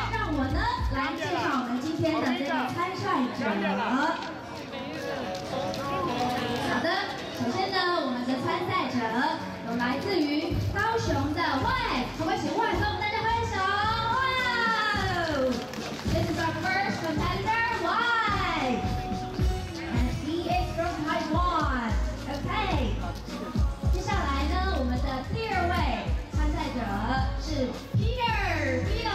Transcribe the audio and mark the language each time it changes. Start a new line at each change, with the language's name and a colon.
Chinese: 那让我呢来介绍我们今天的这个参赛者。好的，首先呢，我们的参赛者有来自于高雄的 Y， 可不可以请 Y 跟我们大家挥手？
English: 哇 ！This is our first competitor Y， and he is from Taiwan. OK。
Chinese: 接下来呢，我们的第二位参赛者是 Peter。